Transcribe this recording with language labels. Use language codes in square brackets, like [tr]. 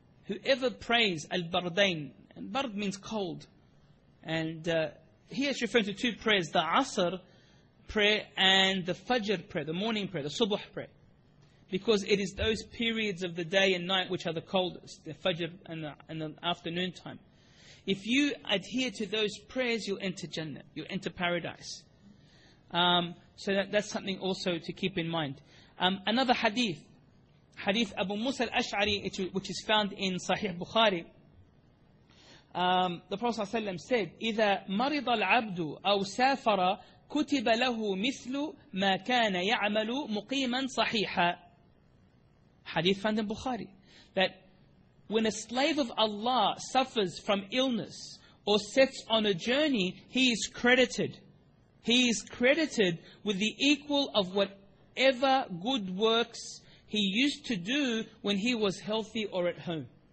[en] Whoever prays al-bardayn, and bard means cold, and he is referring to two prayers, the asr prayer and the fajr prayer, the morning prayer, the subuh prayer, because it is those periods of the day and night which are the coldest, the fajr and the afternoon time. If you adhere to those prayers, you'll enter Jannah. You'll enter paradise. So that's something also to keep in mind. Another hadith Abu Musa al-Ash'ari, which is found in Sahih Bukhari. The Prophet ﷺ said, [ar] إِذَا مَرِضَ الْعَبْدُ أَوْ سَافَرَ كُتِبَ لَهُ مِثْلُ مَا كَانَ يَعْمَلُ مُقِيمًا صَحِيحًا. [en] Hadith found in Bukhari. That when a slave of Allah suffers from illness or sets on a journey, he is credited. He is credited with the equal of whatever good works he used to do when he was healthy or at home.